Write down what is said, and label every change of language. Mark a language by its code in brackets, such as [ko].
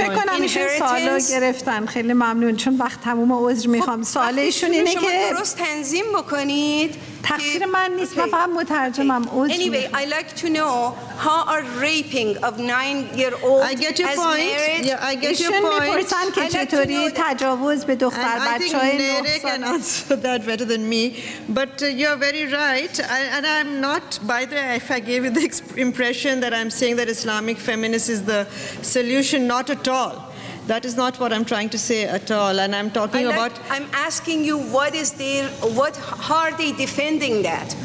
[fa] فکر کنم ایشون سوالو گرفتن. خیلی ممنون، چون وقت تمومه، عذر میخوام. سوال ایشون اینه که شما درست تنظیم بکنید تقصیر من نیست من فقط مترجمم [en] Anyway, I like to know how a raping of 9-year old I get your point. Yeah, I get your point. [fa] میپرسن که چطوری تجاوز به دختر بچه‌های 9 ساله. [en] I think Nere can answer that better than me. But you're very right. And I'm not, by the way, if I gave you the impression that I'm saying that Islamic feminist is the solution, not at all. That is not what I'm trying to say at all, and I'm talking about. I'm asking you, what is their, what, how are they defending that?